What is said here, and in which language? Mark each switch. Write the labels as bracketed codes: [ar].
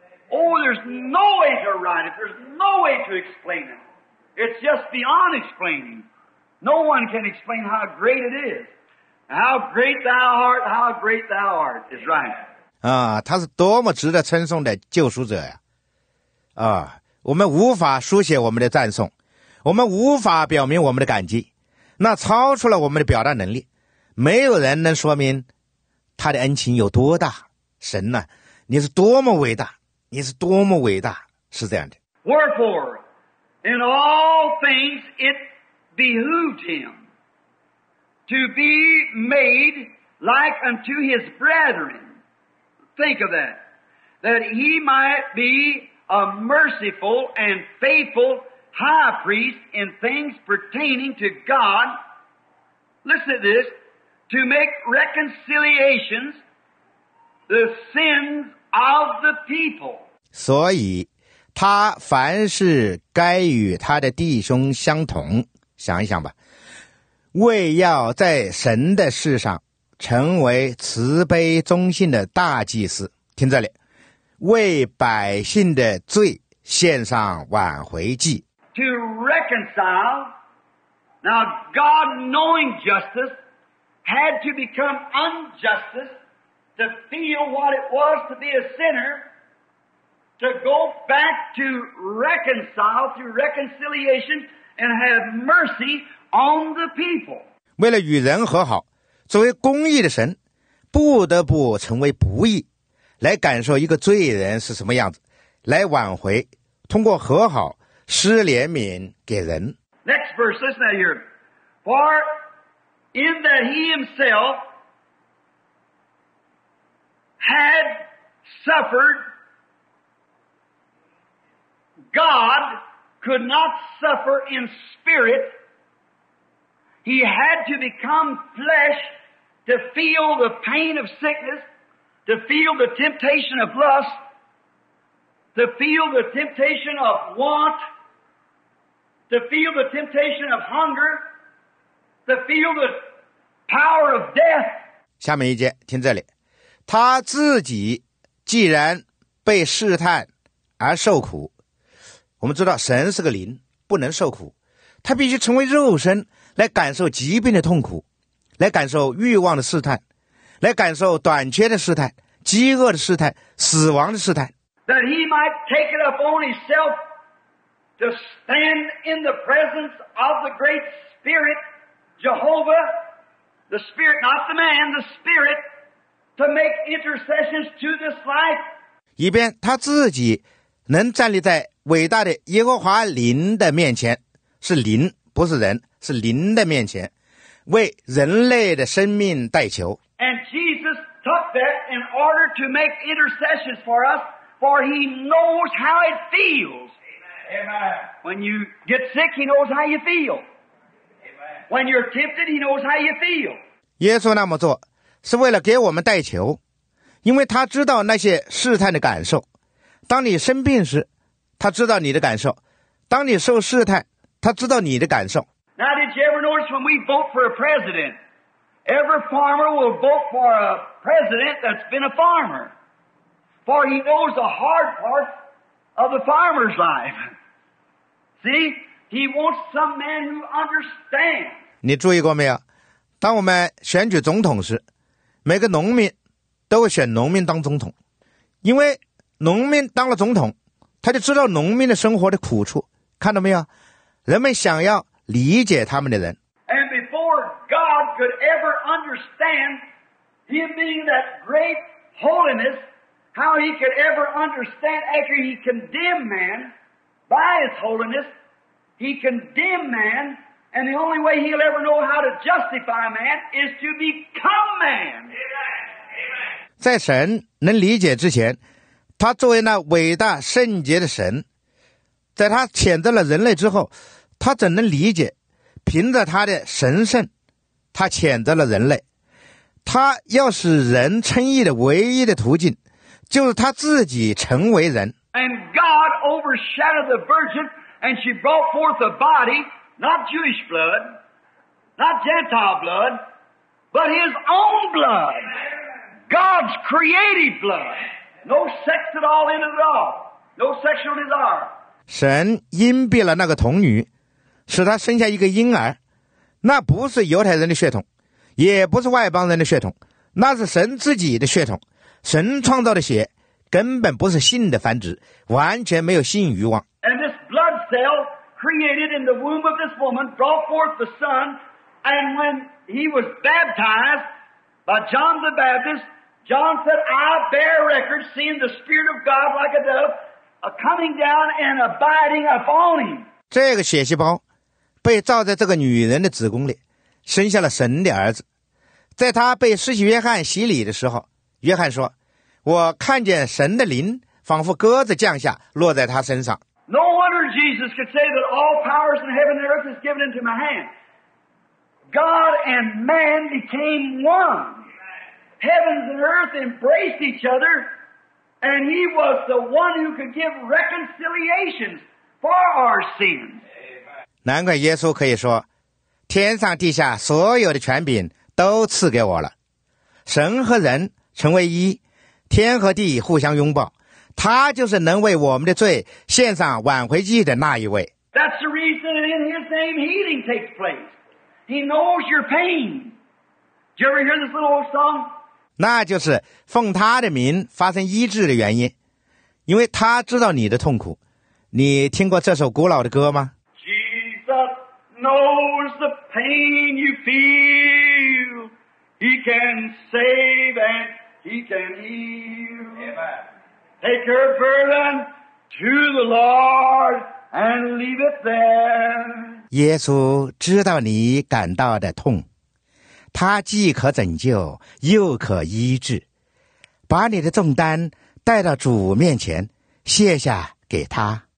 [en] Oh, there's no way to write it. There's no way to explain it. It's just beyond explaining. No one can explain how great it is. How great thou art, how great thou art, is right. [zh] 他是多么值得称颂的救赎者呀。我们无法书写我们的赞颂，我们无法表明我们的感激，那超出了我们的表达能力，没有人能说明他的恩情有多大。神呢，你是多么伟大，你是多么伟大，是这样的。 [en] Wherefore, in all things it behooved him to be made like unto his brethren. Think of that. That he might be a merciful and faithful high priest in things pertaining to God. Listen to this. To make reconciliations the sins of the people. [zh] 所以他凡事该与他的弟兄相同，想一想吧，为要在神的事上成为慈悲忠信的大祭司。听这里，为百姓的罪献上挽回祭。 [en] To reconcile, now God knowing justice had to become unjustice to feel what it was to be a sinner, to go back to reconcile through reconciliation and have mercy on the people. [zh] 为了与人和好，作为公义的神，不得不成为不义。来感受一个罪人是什么样子，来挽回，通过和好施怜悯给人。 [en] Next verse, listen to here. For in that he himself had suffered, God could not suffer in spirit. He had to become flesh to feel the pain of sickness. To feel the temptation of lust, to feel the temptation of want, to feel the temptation of hunger, to feel the power of death. [zh] 下面一节，听这里。他自己既然被试探而受苦，我们知道神是个灵，不能受苦，他必须成为肉身来感受疾病的痛苦，来感受欲望的试探，来感受短缺的试探、饥饿的试探、死亡的试探。 [en] That he might take it upon himself to stand in the presence of the great spirit, Jehovah, the spirit, not the man, the spirit, to make intercessions to this life. [zh] 一边他自己能站立在伟大的耶和华灵的面前，是灵不是人，是灵的面前，为人类的生命代求。 [en] And Jesus took that in order to make intercessions for us, for he knows how it feels. Amen. When you get sick, he knows how you feel. Amen. When you're tempted, he knows how you feel. [zh] 耶稣那么做是为了给我们代求，因为他知道那些试探的感受。当你生病时，他知道你的感受；当你受试探，他知道你的感受。 [en] Now, did you ever notice when we vote for a president, every farmer will vote for a president that's been a farmer, for he knows the hard part of the farmer's life. See, he wants some man who understands. [zh] 你注意过没有？当我们选举总统时，每个农民都会选农民当总统，因为农民当了总统，他就知道农民的生活的苦处，看到没有？人们想要理解他们的人。 [en] And before God could ever understand him being that great holiness, how he could ever understand after he condemned man by his holiness, he condemned man, and the only way he'll ever know how to justify man is to become man. Amen. [zh] 在神能理解之前，他作为那伟大圣洁的神，在他谴责了人类之后，他怎能理解？凭着他的神圣，他谴责了人类。他要使人称义的唯一的途径，就是他自己成为人。 [en] And God overshadowed the virgin, and she brought forth a body, not Jewish blood, not Gentile blood, but his own blood, God's creative blood. No sex at all in it at all. No sexual desire. [zh] 神荫蔽了那个童女，使她生下一个婴儿，那不是犹太人的血统，也不是外邦人的血统，那是神自己的血统。神创造的血根本不是性的繁殖，完全没有性欲望。 [en] And this blood cell created in the womb of this woman brought forth the son, and when he was baptized by John the Baptist,John said, I bear record seeing the Spirit of God like a dove coming down and abiding upon him. [zh] 这个血细胞被造在这个女人的子宫里，生下了神的儿子。在他被施洗约翰洗礼的时候，约翰说，我看见神的灵仿佛鸽子降下落在他身上。 [en] No wonder Jesus could say that all powers in heaven and earth is given into my hand. God and man became one. Heavens and earth embraced each other, and he was the one who could give reconciliation for our sins. [zh] 难怪耶稣可以说，天上地下所有的权柄都赐给我了。神和人成为一，天和地互相拥抱，他就是能为我们的罪献上挽回祭的那一位。 [en] That's the reason in his name healing takes place. He knows your pain. Did you ever hear this little old song? [zh] 那就是奉他的名发生医治的原因，因为他知道你的痛苦。你听过这首古老的歌吗？ [en] Jesus knows the pain you feel. He can save and he can heal. Amen. Take your burden to the Lord and leave it there. [zh] 耶稣知道你感到的痛，他既可拯救又可医治，把你的重担带到主面前卸下给他。